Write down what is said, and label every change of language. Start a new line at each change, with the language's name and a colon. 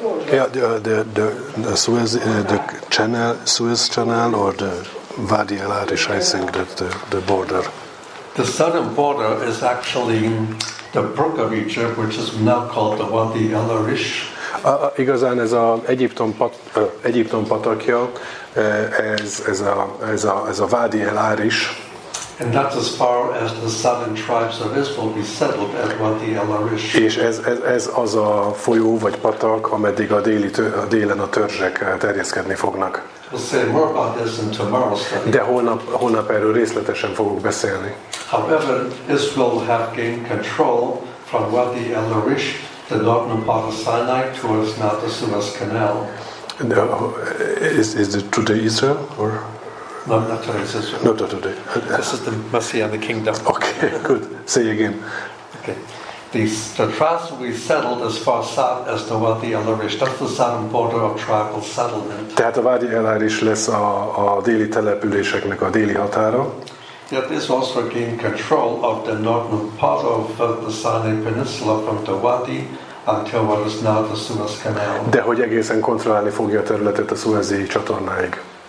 English: Yeah, the Suez the channel, Suez Canal or the Wadi El Arish, I think that the border. The southern border is actually the Brook of Egypt, which is now called the Wadi El Arish.
Hungarian: Igazán ez az Egyiptom patakja, ez a Wadi El Arish.
English: And that's as far as the southern tribes of Israel be settled at Wadi El Arish.
Hungarian: És ez az a folyó vagy patak, ameddig a déli délen a törzsek terjeszkedni fognak.
English: We'll say more about this in tomorrow's study.
Hungarian: De holnap erről részletesen fogok beszélni.
English: However, Israel have gained control from Wadi El Arish, the northern part of Sinai towards now the Suez Canal. No, is it today Israel or? No, not today. Not today. This is the Messianic kingdom. Okay, good. Say again. Okay. The tribes will be settled as far south as the Wadi El Arish. That's the southern border of tribal settlement.
Hungarian: Tehát a Wadi El Arish lesz a déli településeknek a déli határa.
English: Yet this also gained control of the northern part of the Sinai Peninsula from the Wadi until what is now the Suez Canal.
Hungarian: De hogy egészen kontrollálni fogja a területet a Suez-i csatornáig.